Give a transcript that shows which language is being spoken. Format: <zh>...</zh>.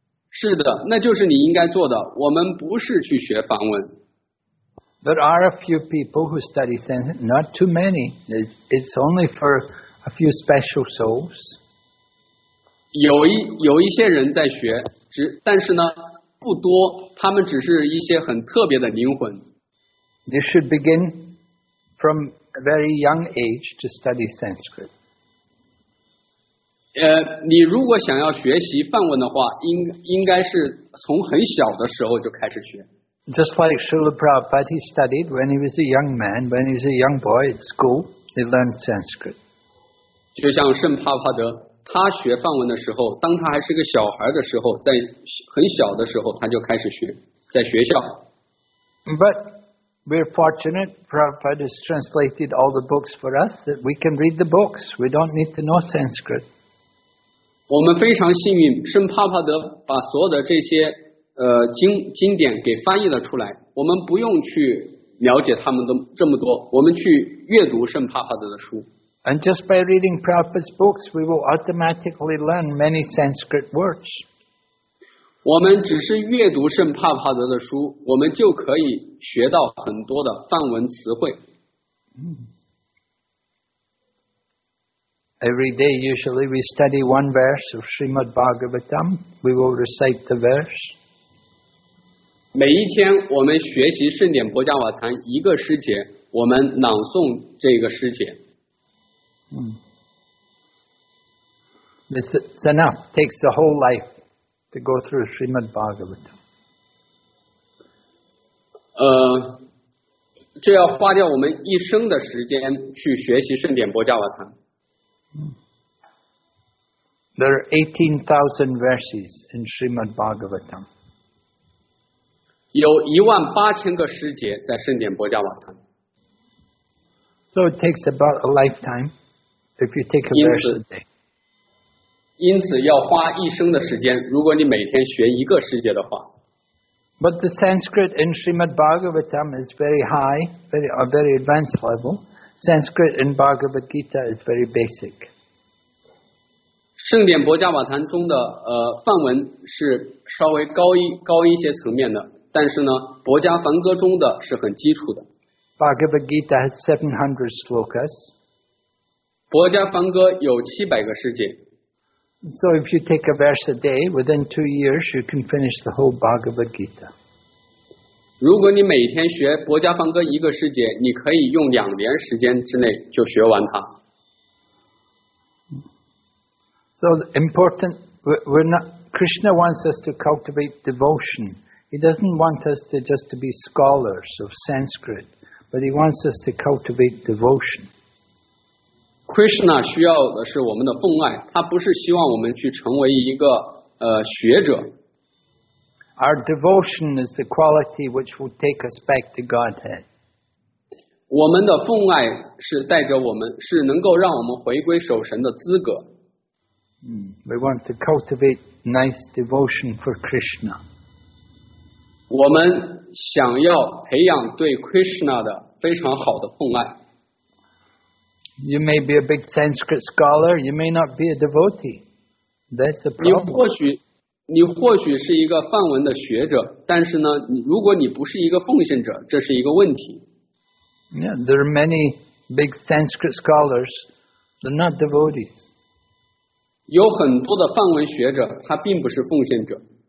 <zh>是的，那就是你应该做的。我们不是去学梵文。</zh> <en>There are a few people who study Sanskrit, not too many. It's only for a few special souls.</en> <zh>有一些人在学，但是呢不多，他们只是一些很特别的灵魂。</zh> <en>You should begin from a very young age to study Sanskrit.</en> <zh>你如果想要学习梵文的话，应该是从很小的时候就开始学。</zh> <en>Just like Srila Prabhupada, he studied when he was a young man, when he was a young boy at school, he learned Sanskrit.</en> <zh>就像圣帕帕德，他学梵文的时候，当他还是个小孩的时候，在很小的时候他就开始学，在学校。</zh> <en>But we're fortunate, Prabhupada has translated all the books for us, that we can read the books, we don't need to know Sanskrit.</en> <zh>我们非常幸运，圣帕帕德把所有的这些经典给翻译了出来，我们不用去了解他们的这么多，我们去阅读圣帕帕德的书。</zh> <en>And just by reading Prabhupada's books, we will automatically learn many Sanskrit words.</en> <zh>我们只是阅读圣帕帕德的书，我们就可以学到很多的梵文词汇。</zh> <en>Every day usually we study one verse of Srimad Bhagavatam. We will recite the verse.</en> <zh>每一天我们学习圣典博伽瓦坛一个诗节，我们朗诵这个诗节。</zh> <en>It's enough. Takes the whole life to go through Srimad Bhagavatam.</en> <zh>这要花掉我们一生的时间去学习圣典博伽瓦坛。</zh> <en>There are 18,000 verses in Srimad Bhagavatam.</en> <zh>有一万八千个诗节在圣典博伽瓦坛。</zh> <en>So it takes about a lifetime. If you take a verse a day.</en> <zh>因此要花一生的时间，如果你每天学一个诗节的话。</zh> <en>But the Sanskrit in Srimad Bhagavatam is very high, a very advanced level. Sanskrit in Bhagavad Gita is very basic.</en> <zh>圣典博伽瓦坛中的梵文是稍微高一些层面的，但是呢，博伽梵歌中的是很基础的。</zh> <en>Bhagavad Gita has 700 slokas.</en> <zh>博迦梵歌有七百个诗节。</zh> <en>So if you take a verse a day, within 2 years you can finish the whole Bhagavad Gita.</en> <zh>如果你每天学博迦梵歌一个诗节，你可以用2年时间之内就学完它。</zh> <en>So important, we're not. Krishna wants us to cultivate devotion. He doesn't want us to just to be scholars of Sanskrit, but he wants us to cultivate devotion.</en> <zh>Krishna 需要的是我们的奉爱，他不是希望我们去成为一个学者。</zh> <en>Our devotion is the quality which will take us back to Godhead.</en> <zh>我们的奉爱是带着我们，是能够让我们回归守神的资格。</zh> <en>We want to cultivate nice devotion for Krishna.</en> <zh>我们想要培养对 Krishna 的非常好的奉爱。</zh> <en>You may be a big Sanskrit scholar, you may not be a devotee. That's a problem.</en> <zh>你或许是一个梵文的学者，但是呢，如果你不是一个奉献者，这是一个问题。</zh> <en>Yeah, there are many big Sanskrit scholars, they're not devotees.</en> <zh>有很多的梵文学者，他并不是奉献者。</zh>